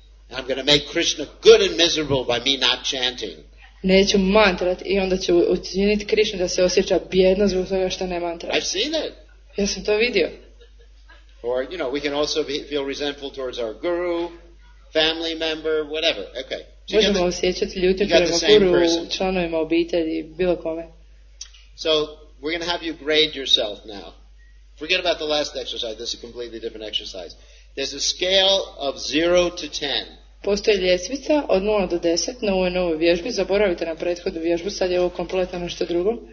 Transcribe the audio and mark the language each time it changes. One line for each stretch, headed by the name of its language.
English: I'm going to make Krishna good and miserable by me not chanting.
Croatian: Neću mantrat I onda ću učiniti Krishnu da se osjeća bjedno zbog toga što ne mantra.
English: I've seen it.
Croatian: Ja sam to vidio.
English: Or, you know, we can also feel resentful towards our guru, family member, whatever. Okay.
Croatian: So možemo osjećati ljutnju prema guru, članovima obitelji, bilo kome.
English: So, we're going to have you grade yourself now. Forget about the last exercise. This is a completely different exercise. There's a scale of 0 to 10.
Croatian: Postoji ljestvica od 0 do 10 na ovoj novoj vježbi. Zaboravite na prethodnu vježbu. Sad je ovo kompletno nešto drugo.